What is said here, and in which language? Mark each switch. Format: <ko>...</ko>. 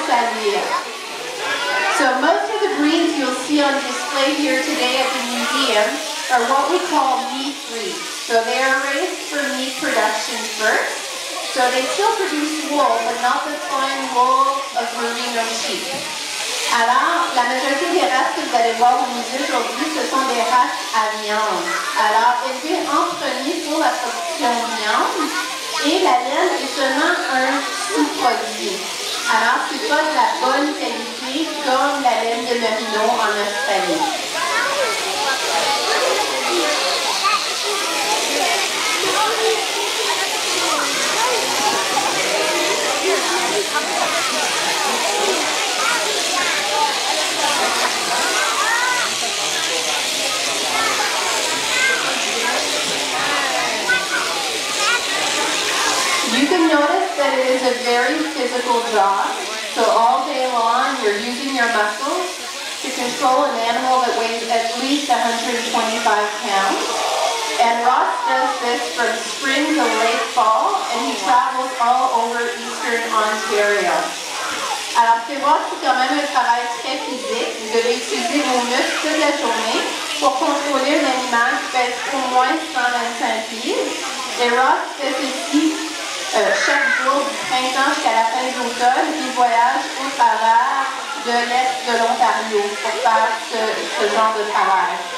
<en>So most of the breeds you'll see on display here today at the museum are what we call meat breeds. So they are raised for meat production first. So they still produce wool, but not the fine wool of merino sheep.</en> <fr>Alors, la majorité des races que vous allez voir au musée aujourd'hui, ce sont des races à viande. Alors, élevées en premier pour la production viande, et la laine est seulement un sous-produit. Alors, c'est pas de la bonne qualité comme la laine de merino en Australie.</fr> <en>It's a very physical job, so all day long you're using your muscles to control an animal that weighs at least 125 pounds. And Ross does this from spring to late fall, and he travels all over eastern Ontario.</en> <fr>Alors, c'est Ross qui quand même un travail très physique. Vous devez utiliser vos muscles toute la journée pour contrôler un animal qui pèse au moins 125 livres. Et Ross fait ceci. Chaque jour du printemps jusqu'à la fin de l'automne, il voyage au travers de l'est de l'Ontario pour faire ce genre de travail.</fr>